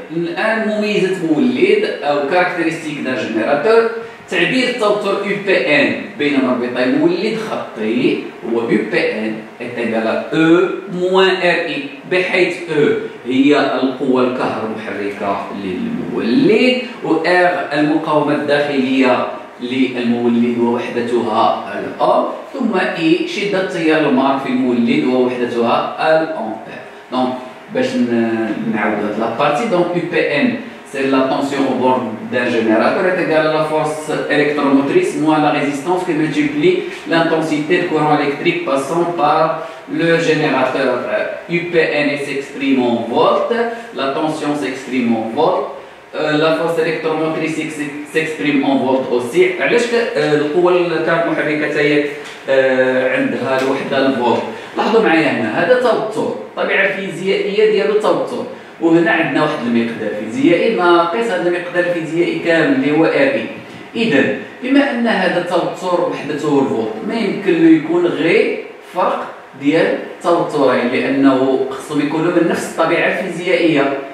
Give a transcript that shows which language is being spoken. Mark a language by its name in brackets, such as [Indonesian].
[Arabic] الآن مميزة مولد أو [French] كاركتيرستيك دا جنراتور، [Arabic] تعبير التوتر يو بي ان بين مربطي مولد خطي هو يو بي ان اتجاه او موان ار اي، بحيث او هي القوة الكهرومحركة للمولد، و ار المقاومة الداخلية للمولد ووحدتها الام، ثم اي شدة التيار المارك في المولد ووحدتها الامبير. دونك باش نعاود هاد لابارتي، [French] دونك يو بي ان c'est la tension au bord d'un générateur est égale à la force électromotrice moins la résistance qui multiplie l'intensité de courant électrique passant par le générateur. UPN s'exprime en volts, la tension s'exprime en volts, la force électromotrice s'exprime en volts aussi. [Arabic] علاش القوة الكهرومحركة هي عندها الوحدة الفولت؟ لاحظوا معايا هنا، هذا توتر، الطبيعة الفيزيائية ديال التوتر، وهنا عندنا واحد المقدار فيزيائي ناقص هذا المقدار الفيزيائي كامل اللي هو ار اي. اذا بما ان هذا التوتر وحدته الفولت، ما يمكن له يكون غير فرق ديال التوترين، لانه خصهم يكونوا من نفس الطبيعه الفيزيائيه.